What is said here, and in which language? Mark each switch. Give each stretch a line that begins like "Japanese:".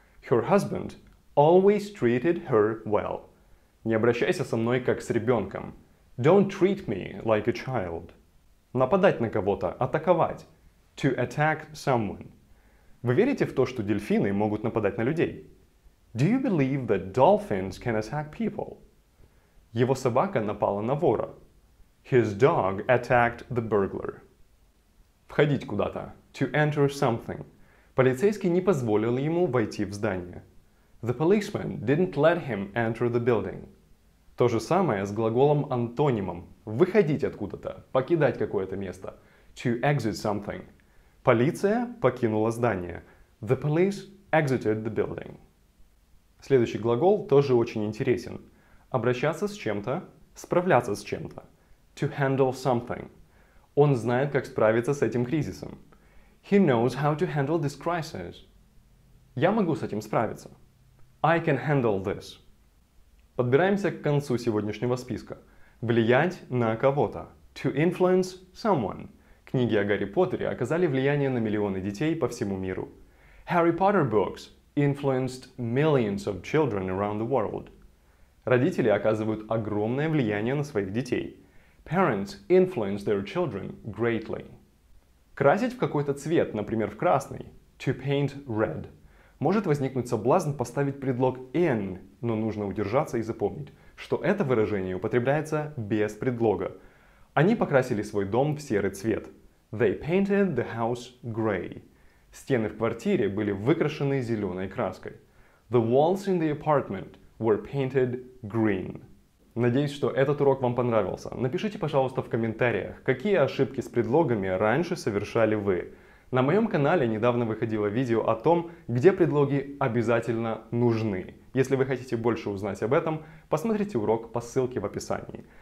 English: Her husband always treated her well.
Russian: Не обращайся со мной как с ребенком.
English: Don't treat me like a child.
Russian: Нападать на кого-то, атаковать.
English: To attack someone.
Russian: Вы верите в то, что дельфины могут нападать на людей?
English: Do you believe that dolphins can attack people?
Russian: Его собака напала на вора.
English: His dog attacked the burglar.
Russian: Входить куда-то.
English: To enter something.
Russian: Полицейский не позволил ему войти в здание.
English: The policeman didn't let him enter the building.
Russian: То же самое с глаголом-антонимом. Выходить откуда-то. Покидать какое-то место.
English: To exit something.
Russian: Полиция покинула здание.
English: The police exited the building.
Russian: Следующий глагол тоже очень интересен. Обращаться с чем-то, справляться с чем-то.
English: To handle something.
Russian: Он знает, как справиться с этим кризисом.
English: He knows how to handle this crisis.
Russian: Я могу с этим справиться.
English: I can handle this.
Russian: Подбираемся к концу сегодняшнего списка. Влиять на кого-то.
English: To influence someone.
Russian: Книги о Гарри Поттере оказали влияние на миллионы детей по всему миру.
English: Harry Potter books influenced millions of children around the world.
Russian: Родители оказывают огромное влияние на своих детей.
English: Parents influence their children greatly.
Russian: Красить в какой-то цвет, например, в красный,
English: to paint red,
Russian: может возникнуть соблазн поставить предлог in, но нужно удержаться и запомнить, что это выражение употребляется без предлога. Они покрасили свой дом в серый цвет.
English: They painted the house gray.
Russian: Стены в квартире были выкрашены зеленой краской.
English: The walls in the apartment were painted green.
Russian: Надеюсь, что этот урок вам понравился. Напишите, пожалуйста, в комментариях, какие ошибки с предлогами раньше совершали вы. На моем канале недавно выходило видео о том, где предлоги обязательно нужны. Если вы хотите больше узнать об этом, посмотрите урок по ссылке в описании.